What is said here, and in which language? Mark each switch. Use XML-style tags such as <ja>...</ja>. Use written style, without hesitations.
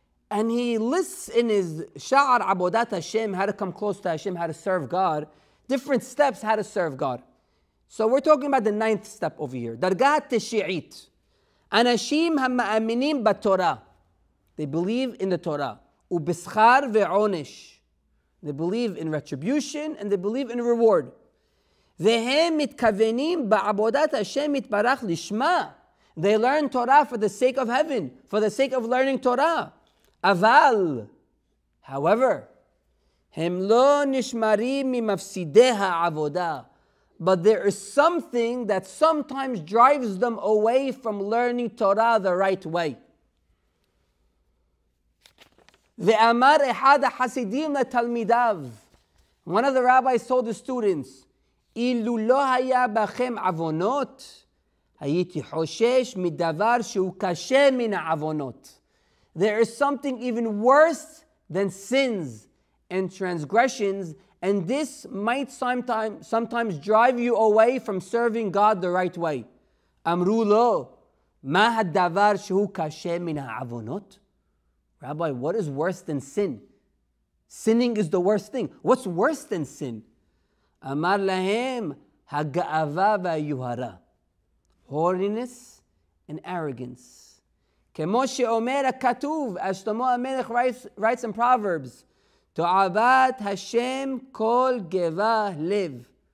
<en>And he lists in his Sha'ar Abodat Hashem, how to come close to Hashem, how to serve God, different steps how to serve God. So we're talking about the ninth step over here.</en> <he>Dargat Tishi'it. Anashim hamma'aminim b'Torah.</he> <en>They believe in the Torah.</en> <he>ובשכר ועונש.</he> <en>They believe in retribution and they believe in reward.</en> <he>והם מתכוונים בעבודת השם יתברך לשמה.</he> <en>They learn Torah for the sake of heaven, for the sake of learning Torah.</en> <he>אבל,</he> <en>however,</en> <he>הם לא נשמרים ממפסידי העבודה.</he> <en>But there is something that sometimes drives them away from learning Torah the right way.</en> <he>ואמר אחד החסידים לתלמידיו,</he> <en>one of the rabbis told the students,</en> <he>אילו לא היה בכם עוונות, הייתי חושש מדבר שהוא קשה מן העוונות.</he> <en>There is something even worse than sins and transgressions, and this might sometimes drive you away from serving God the right way.</en> <he>אמרו לו, מה הדבר שהוא קשה מן העוונות?</he> <en>Rabbi, what is worse than sin? Sinning is the worst thing. What's worse than sin?</en> <he>Amar lahem ha-ga'ava va-yuhara.</he> <en>Horniness and arrogance.</en> <he>Kemo she'omer ha-katuv,</he> <en>as Shlomo HaMelech writes in Proverbs,</en> <he>To'avat Hashem kol geva lev.</he>